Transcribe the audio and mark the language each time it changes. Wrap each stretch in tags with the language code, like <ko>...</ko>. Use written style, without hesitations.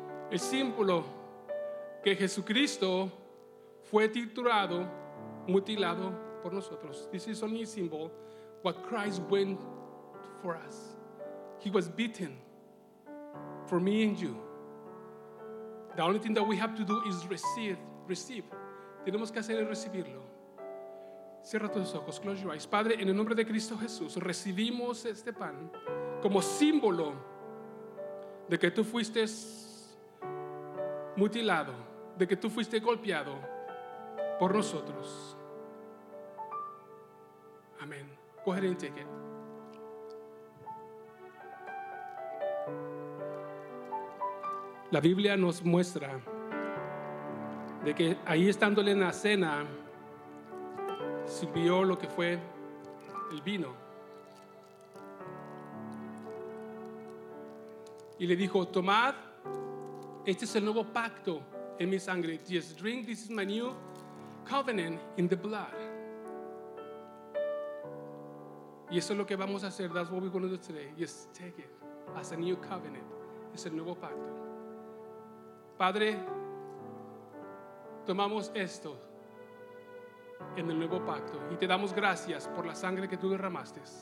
<es>El símbolo que Jesucristo fue triturado, mutilado por nosotros.</es> <en>This is only a symbol what Christ went for us. He was beaten for me and you. The only thing that we have to do is receive.</en> <es>Tenemos que hacer es recibirlo. Cierra tus ojos,</es> <en>close your eyes.</en> <es>Padre, en el nombre de Cristo Jesús, recibimos este pan como símbolo de que tú fuiste mutilado, de que tú fuiste golpeado por nosotros.</es> <en>Amén. Go ahead and take it.</en> <es>La Biblia nos muestra de que ahí estándole en la cena sirvió lo que fue el vino y le dijo: tomad, este es el nuevo pacto en mi sangre.</es> <en>Just drink, this is my new covenant in the blood.</en> <es>Y eso es lo que vamos a hacer.</es> <en>That's what we're going to do today. Just take it as a new covenant.</en> <es>Es el nuevo pacto. Padre, tomamos esto en el nuevo pacto y te damos gracias por la sangre que tú derramaste.</es>